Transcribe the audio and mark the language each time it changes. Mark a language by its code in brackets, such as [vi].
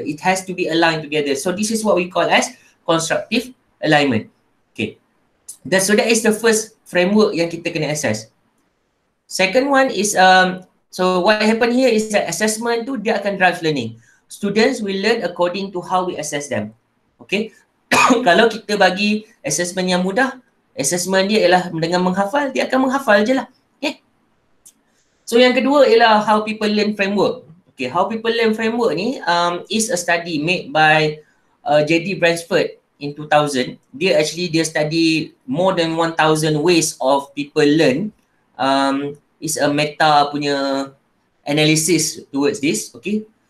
[en] It has to be aligned together. So this is what we call as constructive alignment. Okay. So that is the first framework [ms] yang kita kena assess. [en] Second one is, so what happen here is that assessment [ms] tu dia akan [en] drive learning. Students will learn according to how we assess them. Okay. [ms] Kalau kita bagi assessment yang mudah, assessment dia ialah dengan menghafal, dia akan menghafal je lah. [en] So [ms] yang kedua ialah [en] how people learn framework. Okay, how people learn framework ni is a study made by J.D. Bransford in 2000. Dia actually, dia study more than 1,000 ways of people learn. It's a meta punya analysis towards this. Okay.